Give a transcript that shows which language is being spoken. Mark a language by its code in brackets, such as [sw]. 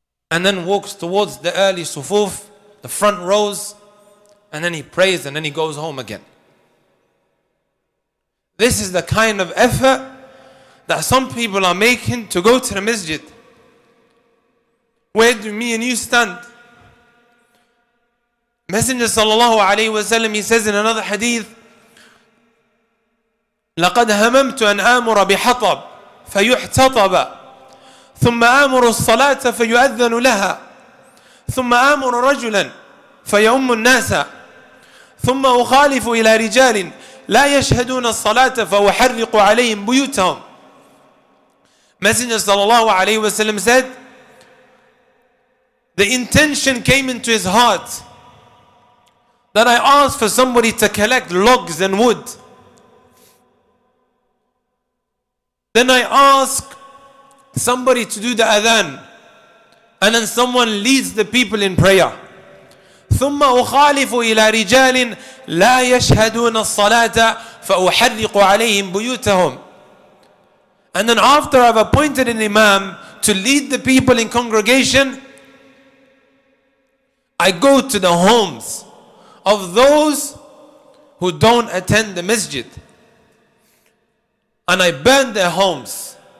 [en] And then walks towards the early sufuf, the front rows, and then he prays and then he goes home again. This is the kind of effort that some people are making to go to the masjid. Where do me and you stand? Messenger sallallahu alayhi wa sallam, he says in another hadith, [ar] لَقَدْ هَمَمْتُ أَنْ آمُرَ بِحَطَبْ فَيُحْتَطَبَ ثم آمر الصلاة فيؤذن لها ثم آمر رجلا فيؤم الناس ثم أخالف إلى رجال لا يشهدون الصلاة فأحرق عليهم بيوتهم. [en] Messenger sallallahu alayhi wa sallam said, the intention came into his heart that I asked for somebody to collect logs and wood. Then I ask somebody to do the adhan, and then someone leads the people in prayer. [ar] ثم أخالف إلى رجال لا يشهدون الصلاة فأحرق عليهم بيوتهم. [en] And then after I've appointed an imam to lead the people in congregation, I go to the homes of those who don't attend the masjid, and I burn their homes.